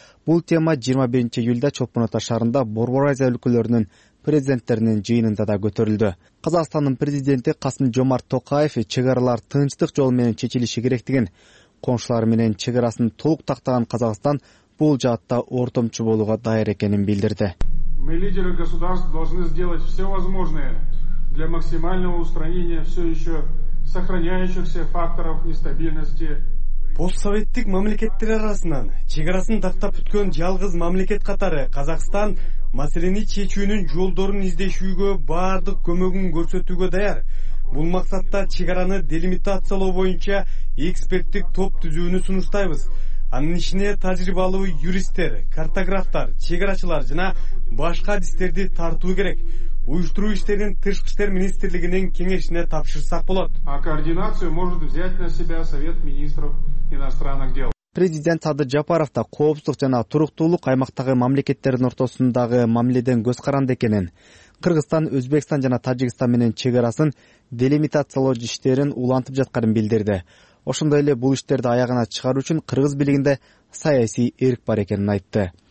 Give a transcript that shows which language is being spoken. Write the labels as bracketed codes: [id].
[ky] Бул тема 21 июлда Чолпон Ата шаарында Борбор Азия өлкөлөрүнүн президенттеринин жыйынында да көтөрүлдү. Казакстандын президенти Касым Жомарт Токаев чек аралар тынчтык жолу менен чечилиши керектигин, коңшулары менен чек арасын толук тактаган Казакстан бул жаатта ортомчу болууга даяр экенин билдирди. [ru] Мы, лидеры государств, должны сделать все возможное для максимального устранения все еще сохраняющихся факторов нестабильности. [ky] Постсоветтик мамлекеттер арасынан чек арасын тактап бүткөн жалгыз мамлекет катары Казакстан маселени чечүүнүн жолдорун издешүүгө баардык көмөгүн көрсөтүүгө даяр. Бул максатта чек араны делимитациялоо боюнча эксперттик топ түзүүнү сунуштайбыз. Анын ишине тажрыйбалуу юристтер, картографтар, чек арачылар жана башка адистерди тартуу керек. Уюштуруу иштерин тышкы иштер министрлигинин кеңешине тапшырсак болот. [ru] А координацию может взять на себя Совет министров иностранных дел. [ky] Президент Садыр Жапаров да коопсуздук жана туруктуулук аймактагы мамлекеттердин ортосундагы мамиледен көз каранды экенин, Кыргызстан, Өзбекстан жана Тажикстан менен чек арасын делимитациялоо иштерин улантып жатканын билдирди. Ошондой эле бул иштерди аягына чыгаруу үчүн кыргыз бийлигинде саясий эрк бар экенин айтты.